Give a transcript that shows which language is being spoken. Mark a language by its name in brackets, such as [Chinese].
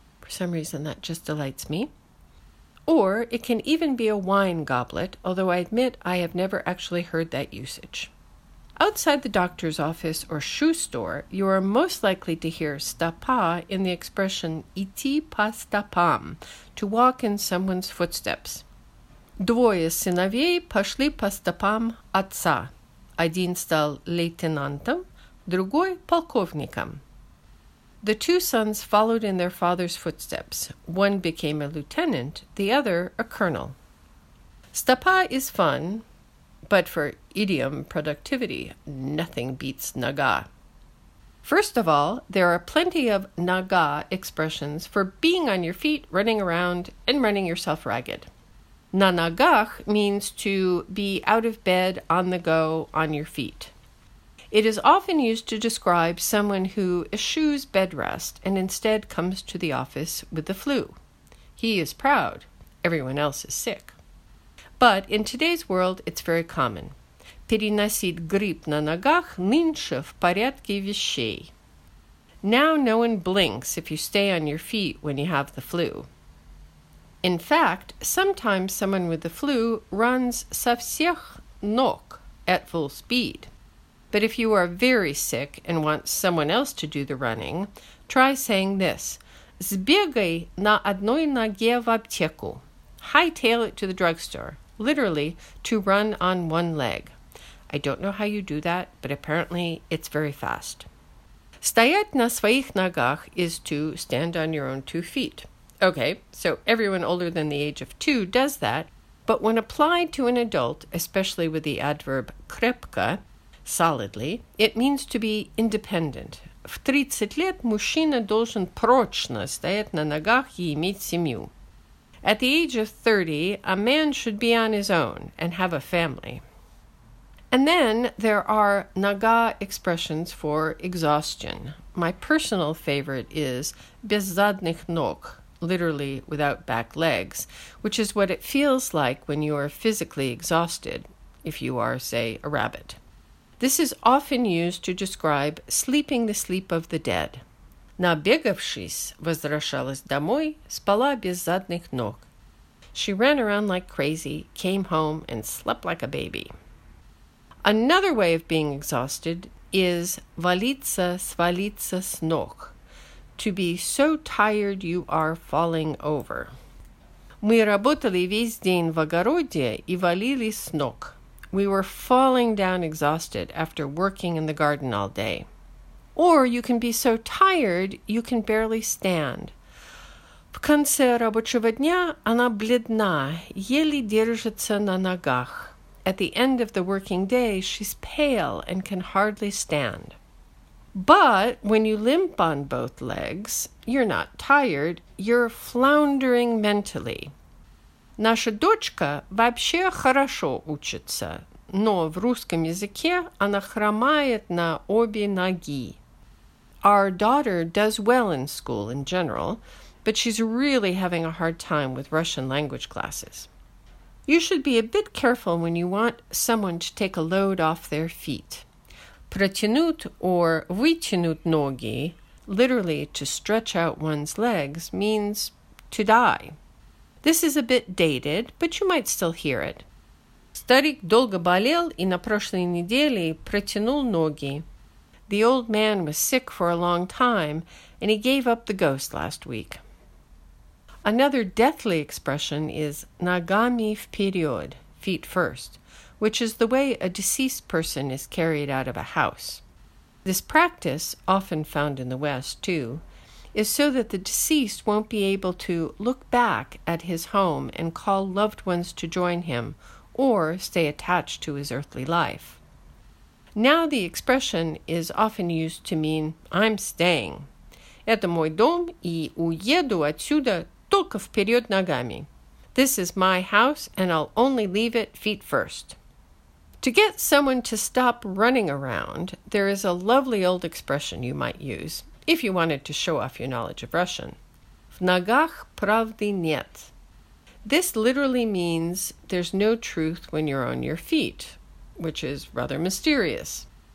[English] For some reason, that just delights me. Or it can even be a wine goblet, although I admit I have never actually heard that usage. Outside the doctor's office or shoe store, you are most likely to hear стопа in the expression [Russian] идти по стопам, [English] to walk in someone's footsteps. [Russian] Двое сыновей пошли по стопам отца. Один стал лейтенантом, другой полковником. [English] The two sons followed in their father's footsteps. One became a lieutenant, the other a colonel. Стопа is fun, but for idiom productivity, nothing beats нога. First of all, there are plenty of нога expressions for being on your feet, running around, and running yourself ragged. На ногах means to be out of bed, on the go, on your feet. It is often used to describe someone who eschews bed rest and instead comes to the office with the flu. He is proud. Everyone else is sick. But in today's world, it's very common. [Russian] Переносить грипп на ногах нынче в порядке вещей. [English] Now no one blinks if you stay on your feet when you have the flu. In fact, sometimes someone with the flu runs [Russian] со всех ног [English] at full speed. But if you are very sick and want someone else to do the running, try saying this. [Russian] Сбегай на одной ноге в аптеку. [English] Hightail it to the drugstore. Literally, to run on one leg. I don't know how you do that, but apparently it's very fast. [Russian] Стоять на своих ногах [English] is to stand on your own 2 feet. Okay, so everyone older than the age of 2 does that, but when applied to an adult, especially with the adverb крепко, solidly, it means to be independent. [Russian] В 30 лет мужчина должен прочно стоять на ногах и иметь семью. [English] At the age of 30, a man should be on his own and have a family. And then there are нога expressions for exhaustion. My personal favorite is [Russian] без задних ног, [English] literally without back legs, which is what it feels like when you are physically exhausted, if you are, say, a rabbit. This is often used to describe sleeping the sleep of the dead. [Russian] Набегавшись, возвращалась домой, спала без задних ног. [English] She ran around like crazy, came home, and slept like a baby. Another way of being exhausted is [Russian] валиться, свалиться с ног, [English] to be so tired you are falling over. [Russian] Мы работали весь день в огороде и валились с ног. [English] We were falling down exhausted after working in the garden all day. Or you can be so tired you can barely stand. [Russian] В конце рабочего дня она бледна, еле держится на ногах. [English] At the end of the working day, she's pale and can hardly stand. But when you limp on both legs, you're not tired, you're floundering mentally. [Russian] Наша дочка вообще хорошо учится, но в русском языке она хромает на обе ноги. [English] Our daughter does well in school in general, but she's really having a hard time with Russian language classes. You should be a bit careful when you want someone to take a load off their feet. [Russian] Протянуть [English] or [Russian] вытянуть ноги, [English] literally to stretch out one's legs, means to die. This is a bit dated, but you might still hear it. [Russian] Старик долго болел и на прошлой неделе протянул ноги. [English] The old man was sick for a long time, and he gave up the ghost last week. Another deathly expression is [Russian] ногами вперед, [English] feet first, which is the way a deceased person is carried out of a house. This practice, often found in the West too, is so that the deceased won't be able to look back at his home and call loved ones to join him or stay attached to his earthly life. Now the expression is often used to mean, I'm staying. [Russian] Это мой дом и уеду отсюда только вперед ногами. [English] This is my house and I'll only leave it feet first. To get someone to stop running around, there is a lovely old expression you might use if you wanted to show off your knowledge of Russian. [Russian] В ногах правды нет. [English] This literally means there's no truth when you're on your feet, which is rather mysterious.